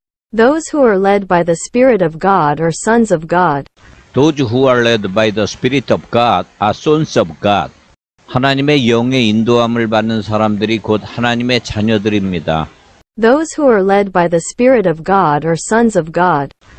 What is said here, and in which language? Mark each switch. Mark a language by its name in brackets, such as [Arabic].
[English] Those who are led by the Spirit of God are sons of God. Those who are led by the Spirit of God are sons of God. [Korean] 하나님의 영의 인도함을 받는 사람들이 곧 하나님의 자녀들입니다. [English] Those who are led by the Spirit of God are sons of God.